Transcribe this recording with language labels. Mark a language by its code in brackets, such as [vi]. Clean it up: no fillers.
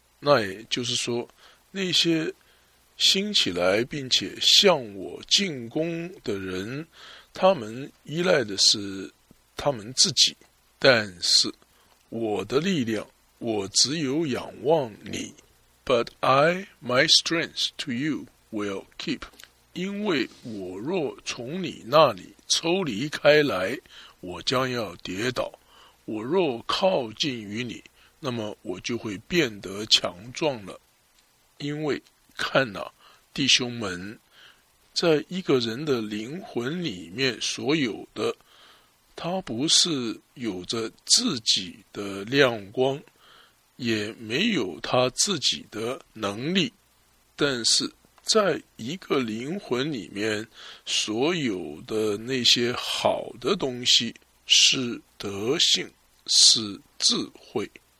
[zh] 那也就是说，那些兴起来并且向我进攻的人，他们依赖的是他们自己，但是我的力量，我只有仰望你。 [en] But I, my strength to you, will keep. [zh] 因为我若从你那里抽离开来，我将要跌倒。我若靠近于你，那么我就会变得强壮了。因为看哪，弟兄们，在一个人的灵魂里面所有的，他不是有着自己的亮光，也没有他自己的能力，但是在一个灵魂里面所有的那些好的东西是德性，是智慧。